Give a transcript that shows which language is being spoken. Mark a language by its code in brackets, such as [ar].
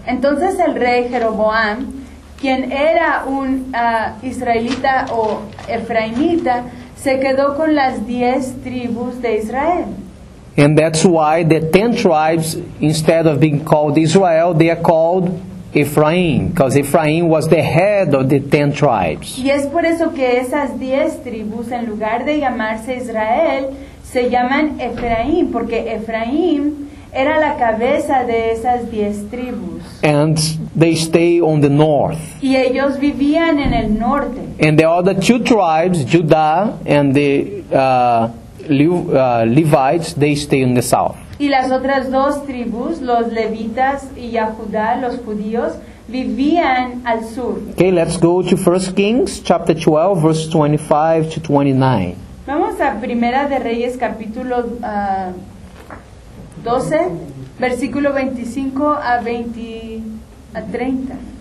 [es] Entonces el rey Jeroboam, quien era un israelita o efraimita, se quedó con las 10 tribus de Israel. [en] And that's why the 10 tribes, instead of being called Israel, they are called Ephraim, because Ephraim was the head of the 10 tribes. [es] Y es por eso que esas 10 tribus, en lugar de llamarse Israel, se llaman Ephraim, porque Ephraim era la cabeza de esas 10 tribus. [en] And they stay on the north. [es] Y ellos vivían en el norte. [en] And the other two tribes, Judah and the Levites, they stay in the south. [es] Y las otras dos tribus, los levitas y Yahudá, los judíos, vivían al sur. [en] Okay, let's go to 1 Kings chapter 12, verse 25 to 29. [es] Vamos a Primera de Reyes capítulo 12, versículo 25 a 30.